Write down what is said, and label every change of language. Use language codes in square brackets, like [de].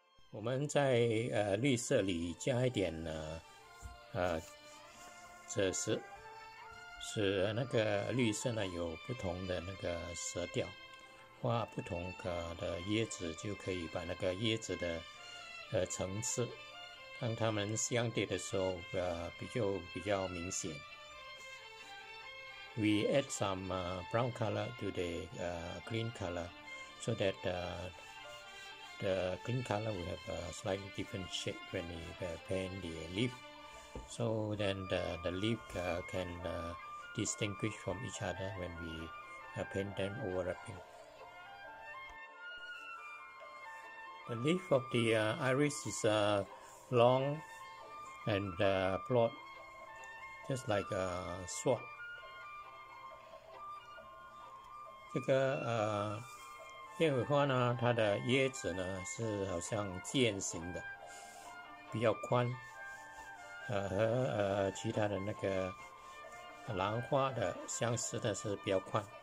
[zh] 我们在绿色里加一点赭石，使那个绿色呢有不同的那个色调，画不同的椰子，就可以把那个椰子的层次，当它们相叠的时候比较明显。 [en] We add some brown color to the green color so that the green color will have a slightly different shape when we paint the leaf. So then the leaf can distinguish from each other when we paint them overlapping. The leaf of the iris is long and broad, just like a sword. [zh] 这个燕尾花呢，它的叶子呢是好像剑形的，比较宽，和其他的那个兰花的相似的是比较宽。